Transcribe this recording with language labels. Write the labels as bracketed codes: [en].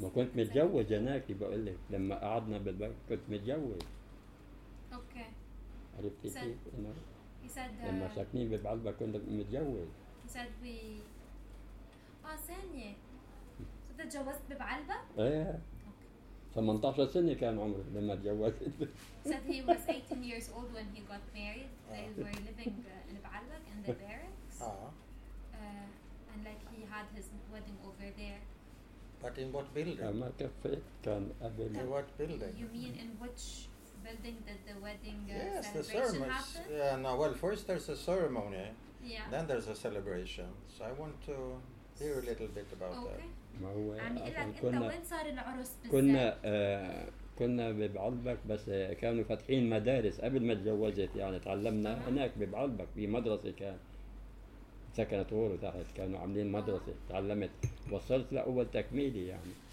[ar] ما كنت متجوز هناك، بقول لك لما قعدنا بالبركس كنت متجوز. [en] okay [ar] عرفتي كيف؟ يسعد لما ساكنين بعلبك كنت متجوز. يسعد بي اه ثانية، انت تجوزت بعلبك؟ ايه 18 سنة كان عمري لما تجوزت. [en] Said he was 18 years old when he got married. They were living in Baalbek in the barracks. And like he had his wedding over there. But in what building? I'm not afraid. Can in what building? You mean in which building did the wedding yes, celebration happen? Yeah, no, well, first there's a ceremony. Yeah. Then there's a celebration. So I want to hear a little bit about okay. that. [ar] ما هو كنا العرس كنا كنا ببعلبك بس كانوا فاتحين مدارس قبل ما تجوزت يعني تعلمنا هناك ببعلبك بمدرسة كان سكنت غورو تحت كانوا عاملين مدرسة تعلمت وصلت لأول تكميلي يعني